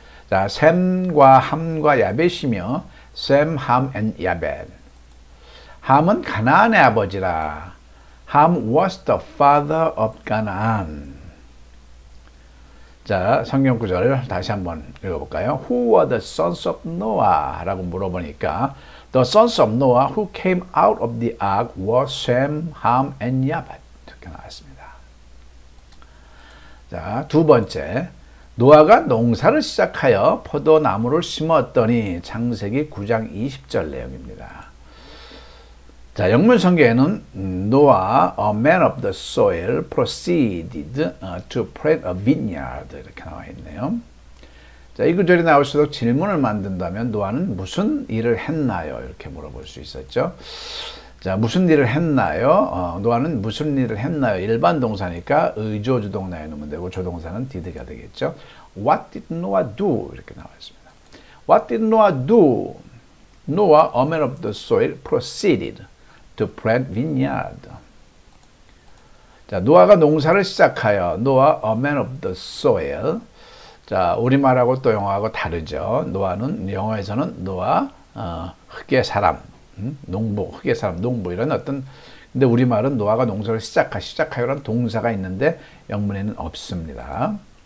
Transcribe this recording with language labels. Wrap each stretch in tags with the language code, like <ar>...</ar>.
<ko>자, 샘과 함과 야벳이며 샘, 함, 앤 야벳. 함은 가나안의 아버지라.</ko> <en>함 was the father of Canaan.</en> <ko>자, 성경 구절 다시 한번 읽어볼까요?</ko> <en>Who were the sons of Noah?</en> <ko>라고 물어보니까</ko> <en>The sons of Noah who came out of the ark were Shem, Ham, and Yabad.</en> <ko>이렇게 나왔습니다. 자, 두 번째 노아가 농사를 시작하여 포도나무를 심었더니 창세기 9장 20절 내용입니다. 자, 영문 성경에는</ko> <en>Noah, a man of the soil, proceeded to plant a vineyard</en> <ko>이렇게 나와 있네요. 자, 이 구절이 나올수록 질문을 만든다면 노아는 무슨 일을 했나요? 이렇게 물어볼 수 있었죠. 자, 무슨 일을 했나요? 노아는 무슨 일을 했나요? 일반 동사니까 의조 주동사에 넣으면 되고 조동사는 did가 되겠죠.</ko> <en>What did Noah do?</en> <ko>이렇게 나와 있습니다.</ko> <en>What did Noah do? Noah, a man of the soil, proceeded to plant vineyard.</en> <ko>자, 노아가 농사를 시작하여.</ko> <en>Noah, a man of the soil.</en> <ko>자, 우리말하고 또 영어하고 다르죠. 노아는 영어에서는 노아, 흙의 사람. 농부, 흙의 사람, 농부 이런 어떤 근데 우리말은 노아가 농사를 시작하여라는 동사가 있는데 영문에는 없습니다.</ko>